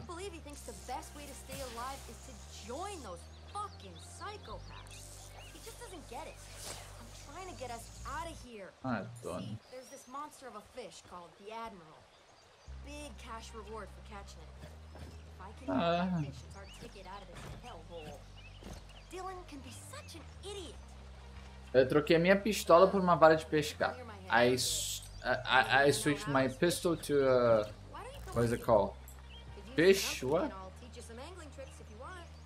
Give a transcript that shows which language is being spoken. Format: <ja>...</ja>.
<en>Can't believe he thinks the best way to stay alive is to join those fucking psychopaths. He just doesn't get it. I'm trying to get us out of here. Ah, dona. Monster of a fish called the Admiral. Big cash reward for catching it. If I can get that fish, it's our ticket out of this hellhole. Dylan can be such an idiot.</en> <pt>Eu troquei minha pistola por uma vara de pescar.</pt> <en>I switched my pistol to a what is it called? Fish? What? I'll teach you some angling tricks if you want.</en>